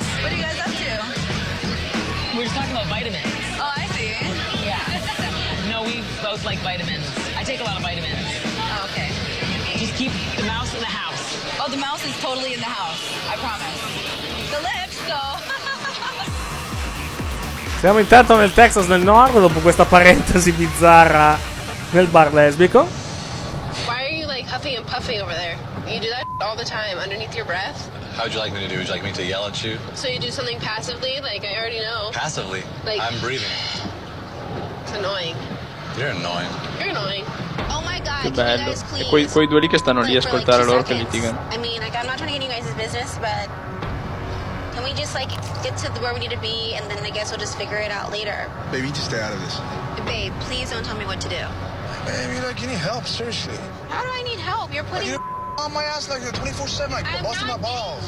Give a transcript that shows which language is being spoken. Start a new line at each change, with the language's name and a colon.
English: What are you guys up to? We're just talking about vitamins. Oh, I see. Yeah. No, we both like vitamins. I take a lot of vitamins. Oh, okay. Just keep the mouse in the house. Oh, the mouse is totally in the house. I promise. The lips, though.
Italian: Siamo intanto nel Texas nel nord dopo questa parentesi bizzarra nel bar lesbico.
English: Why are you like huffing and puffing over there? You do that all the time underneath your breath. How would you like me to do? Would you like me to yell at you? So you do something passively? Like I already know. Passively? Like I'm breathing. It's annoying. You're annoying. You're annoying. Oh my God.
Italian: Che bello. E quei due lì che stanno lì a ascoltare loro che litigano.
English: I mean, like I'm not trying to get you guys' business, but can we just like get to where we need to be and then I guess we'll just figure it out later. Baby, just stay out of this. Babe, please don't tell me what to do. Maybe like, you need help, seriously. How do I need help? You're putting like, on my ass like 24/7, like I'm busting my balls.